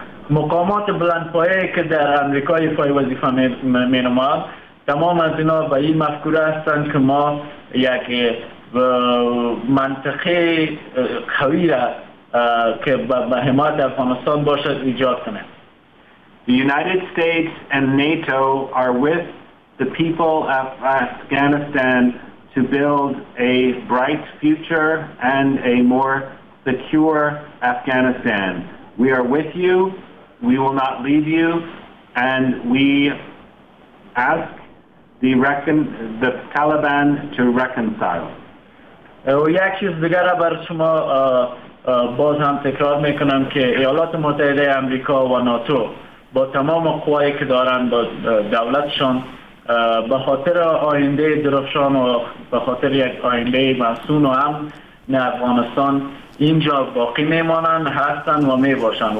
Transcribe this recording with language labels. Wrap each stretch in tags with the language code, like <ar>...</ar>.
<fa>مقامات بلندپایه که در امریکای پای وظیفه می نماید تمام از اینا به این مفکوره هستند که ما یک منطقه قوی را که به حمایت افغانستان باشد ایجاد کنیم.</fa> <en>The United States and NATO are with the people of Afghanistan to build a bright future and a more secure Afghanistan. We are with you. We will not leave you, and we ask the Taliban to reconcile.</en> <fa>یک چیز دیگر برای شما باز هم تکرار میکنم که ایالات متحده امریکا و ناتو با تمام قوایی که دارن با دولتشان به خاطر آینده درخشان و به خاطر یک آینده مسئول و امن افغانستان اینجا باقی میمانن، هستن و میباشن.</fa>